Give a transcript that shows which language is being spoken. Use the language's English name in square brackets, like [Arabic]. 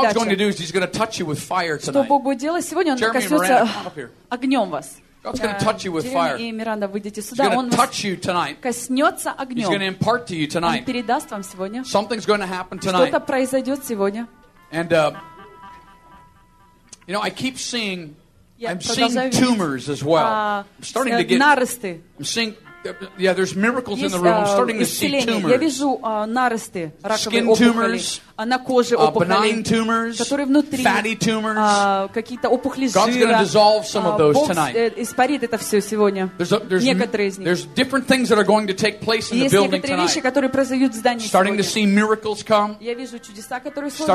[English] What God's going to do is He's going to touch you with fire tonight. [Russian] Что Бог будет делать сегодня? Он [English] Jeremy [Russian] коснется огнем вас. [English] God's going to touch you with fire. [Russian] И Миранда, выйдите сюда. [English] He's going to touch you tonight. [Russian] Коснется огнем. [English] He's going to impart to you tonight. [Russian] Он передаст вам сегодня. [English] Something's going to happen tonight. [Russian] Что-то произойдет сегодня. [English] And you know, I keep seeing. I'm seeing tumors as well. I'm starting to get. [Russian] Наросты. [English] I'm seeing. Yeah, there's miracles in the room. I'm starting to see tumors. [Russian] Я вижу наросты, раковые [English] опухоли. Skin tumors. [Russian] На коже опухоли. [English] Benign tumors. [Russian] Которые внутри. [English] Fatty tumors. [Russian] Какие-то опухоли жира. [English] God's going to dissolve some of those tonight. [Russian] Бог испарит это все сегодня. Некоторые из них. [English] There's different things that are going to take place in the building tonight. [Russian] Есть некоторые вещи, которые произойдут в здании сегодня. [English] Starting to see miracles come. [Russian] Я вижу чудеса, которые сегодня.